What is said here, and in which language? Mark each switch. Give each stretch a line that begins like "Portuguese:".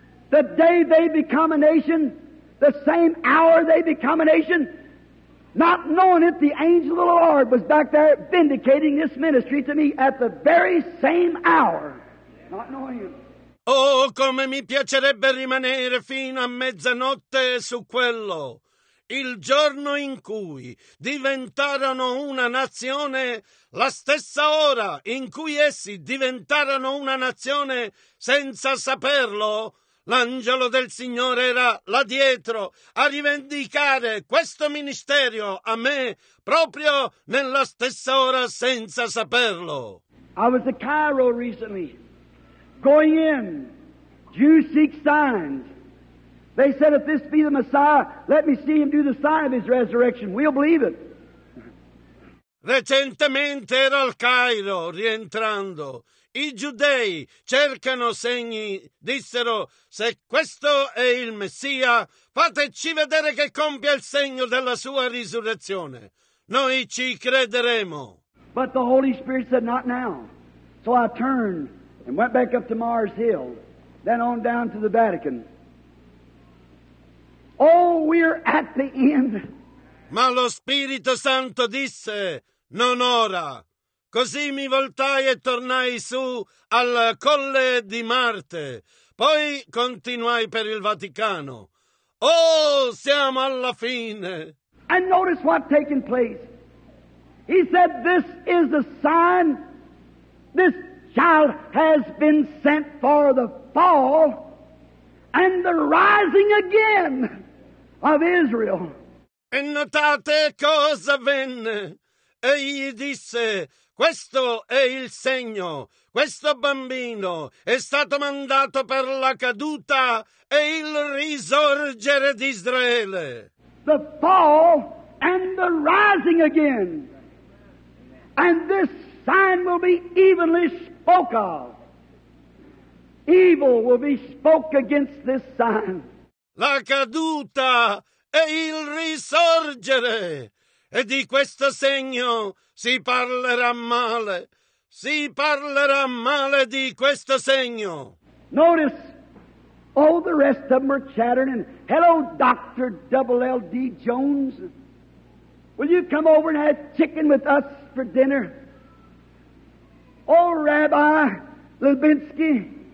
English: The day they become a nation, the same hour they become a nation, not knowing it, the angel of the Lord was back there vindicating this ministry to me at the very same hour, not knowing it.
Italian: Oh, come mi piacerebbe rimanere fino a mezzanotte su quello. Il giorno in cui diventarono una nazione, la stessa ora in cui essi diventarono una nazione senza saperlo, l'angelo del Signore era là dietro a rivendicare questo ministero a me proprio nella stessa ora senza saperlo.
English: I was a Cairo recently, going in, Jews seek signs. They said, if this be the Messiah, let me see him do the sign of his resurrection. We'll believe it.
Italian: Recentemente ero al Cairo, rientrando. I giudei cercano segni, dissero, se questo è il Messia, fateci vedere che compia il segno della sua risurrezione. Noi ci crederemo.
English: But the Holy Spirit said, not now. So I turned and went back up to Mars Hill, then on down to the Vatican. Oh, we're at the end.
Italian: Ma lo Spirito Santo disse, non ora. Così mi voltai e tornai su al Colle di Marte. Poi continuai per il Vaticano. Oh, siamo alla fine.
English: And notice what's taking place. He said, this is a sign. This child has been sent for the fall and the rising again. Of Israel.
Italian: E notate cosa avvenne. Egli disse, questo è il segno. Questo bambino è stato mandato per la caduta e il risorgere di Israele.
English: The fall and the rising again. And this sign will be evenly spoke of. Evil will be spoke against this sign.
Italian: La caduta e il risorgere. E di questo segno si parlerà male. Si parlerà male di questo segno.
English: Notice, all the rest of them are chattering. And, hello, Dr. Double L.D. Jones. Will you come over and have chicken with us for dinner? Oh, Rabbi Lubinsky,